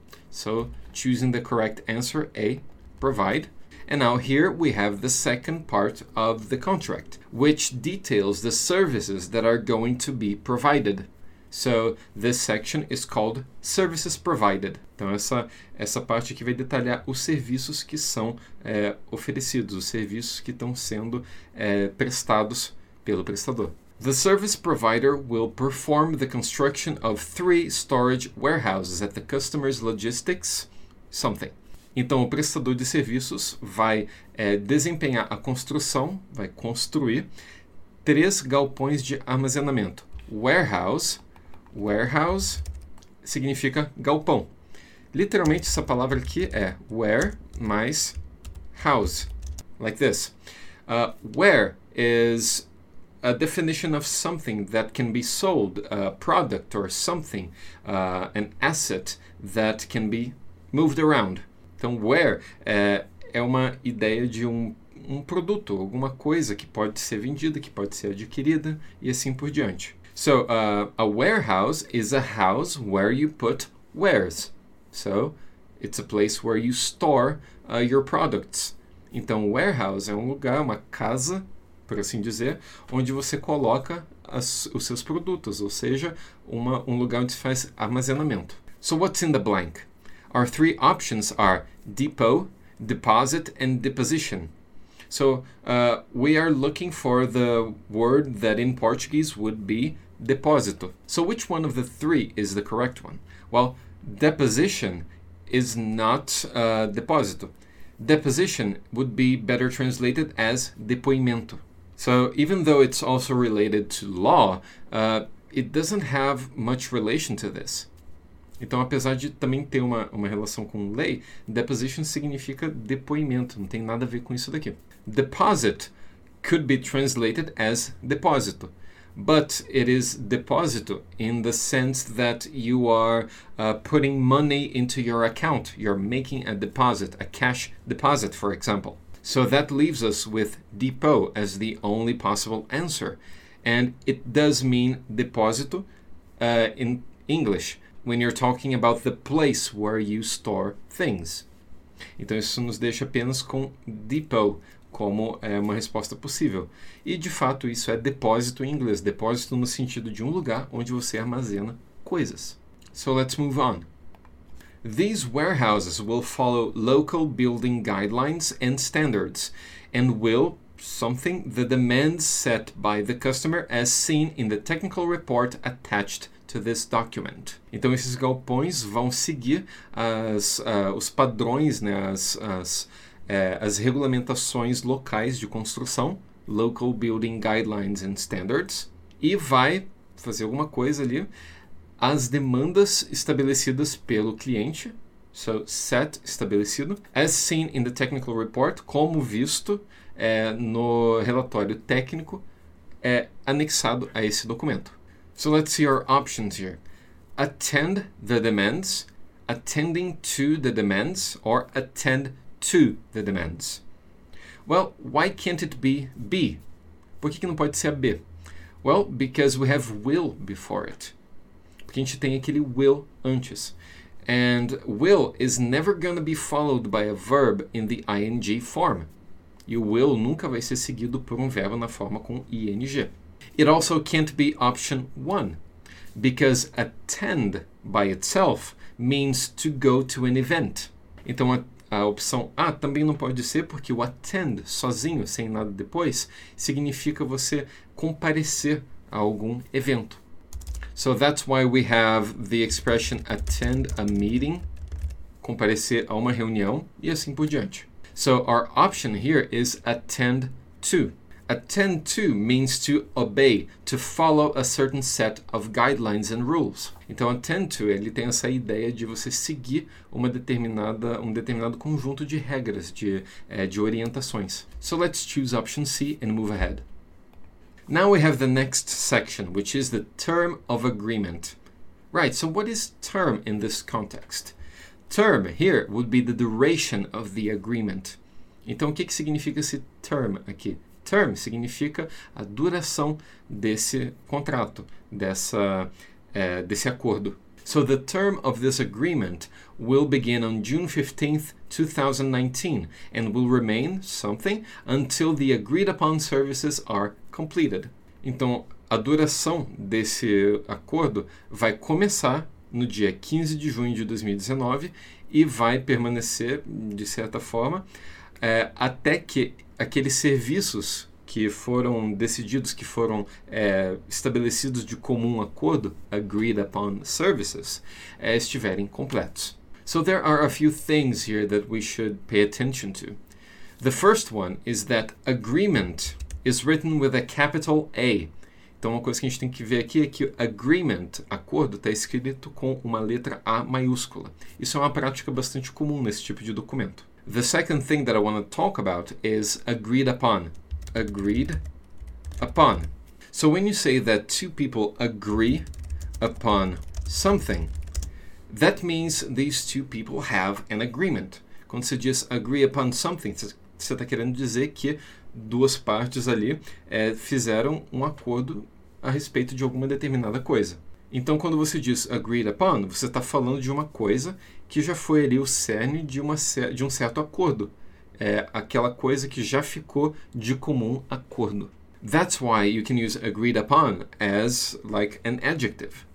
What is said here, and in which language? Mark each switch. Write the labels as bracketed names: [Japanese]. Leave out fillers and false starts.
[English] So, choosing the correct answer, A, provide. And now here we have the second part of the contract, which details the services that are going to be provided. So, this section is called services provided. [Portuguese] Então, essa parte aqui vai detalhar os serviços que são oferecidos, os serviços que estão sendo prestados pelo prestador. [English] The service provider will perform the construction of three storage warehouses at the customer's logistics something. [Portuguese] Então, o prestador de serviços vai desempenhar a construção, vai construir três galpões de armazenamento. Warehouse, warehouse significa galpão. Literalmente, essa palavra aqui é where mais house, [English] like this. Where is a definition of something that can be sold, a product or something, an asset that can be moved around. [Portuguese] Então, where é uma ideia de um produto, alguma coisa que pode ser vendida, que pode ser adquirida e assim por diante. [English] So, a warehouse is a house where you put wares. So, it's a place where you store your products. [Portuguese] Então, warehouse é um lugar, uma casa, por assim dizer, onde você coloca os seus produtos, ou seja, um lugar onde se faz armazenamento. [English] So, what's in the blank? Our three options are depot, deposit, and deposition. So, we are looking for the word that in Portuguese would be depósito. So, which one of the three is the correct one? Well, deposition is not depósito. Deposition would be better translated as depoimento. So, even though it's also related to law, it doesn't have much relation to this. [Portuguese] Então, apesar de também ter uma relação com lei, deposition significa depoimento, não tem nada a ver com isso daqui. [English] Deposit could be translated as depósito, but it is deposito in the sense that you are putting money into your account. You're making a deposit, a cash deposit, for example. So that leaves us with depot as the only possible answer. And it does mean deposito in English, when you're talking about the place where you store things. [Portuguese] Então isso nos deixa apenas com depot como uma resposta possível. E de fato isso é depósito em inglês, depósito no sentido de um lugar onde você armazena coisas. [English] So let's move on. These warehouses will follow local building guidelines and standards and will something the demands set by the customer as seen in the technical report attached to this document. [Portuguese] Então esses galpões vão seguir os padrões, né, as regulamentações locais de construção, [English] local building guidelines and standards, [Portuguese] e vai fazer alguma coisa ali as demandas estabelecidas pelo cliente. [English] So, set, [Portuguese] estabelecido. [English] As seen in the technical report, [Portuguese] como visto no relatório técnico, é anexado a esse documento. [English] So, let's see our options here. Attend the demands, attending to the demands, or attend to the demands. Well, why can't it be B? [Portuguese] Por que não pode ser a B? [English] Well, because we have will before it. [Portuguese] Porque a gente tem aquele will antes. [English] And will is never going to be followed by a verb in the ing form. [Portuguese] E o will nunca vai ser seguido por um verbo na forma com ing. [English] It also can't be option one, because attend by itself means to go to an event. [Portuguese] Então a opção A também não pode ser, porque o attend sozinho, sem nada depois, significa você comparecer a algum evento. [English] So that's why we have the expression attend a meeting, [Portuguese] comparecer a uma reunião, e assim por diante. [English] So our option here is attend to. Attend to means to obey, to follow a certain set of guidelines and rules. [Portuguese] Então attend to, ele tem essa ideia de você seguir um determinado conjunto de regras, de orientações. [English] So let's choose option C and move ahead. Now we have the next section, which is the term of agreement. Right, so what is term in this context? Term here would be the duration of the agreement. [Portuguese] Então, o que significa esse term aqui? Term significa a duração desse contrato, desse acordo. [English] So the term of this agreement will begin on June 15th, 2019 and will remain something until the agreed upon services are completed. [Portuguese] Então, a duração desse acordo vai começar no dia 15 de junho de 2019 e vai permanecer, de certa forma, até que aqueles serviços que foram decididos, que foram estabelecidos de comum acordo, [English] agreed upon services, [Portuguese] estiverem completos. [English] So there are a few things here that we should pay attention to. The first one is that agreement is written with a capital A. [Portuguese] Então, uma coisa que a gente tem que ver aqui é que agreement, acordo, está escrito com uma letra A maiúscula. Isso é uma prática bastante comum nesse tipo de documento. [English] The second thing that I want to talk about is agreed upon. Agreed upon. So when you say that two people agree upon something, that means these two people have an agreement. [Portuguese] Quando você diz [English] agree upon something, [Portuguese] você está querendo dizer que duas partes ali fizeram um acordo a respeito de alguma determinada coisa. Então, quando você diz agreed upon, você está falando de uma coisa que já foi ali o cerne de um certo acordo. É aquela coisa que já ficou de comum acordo. [English] That's why you can use agreed upon as like an adjective.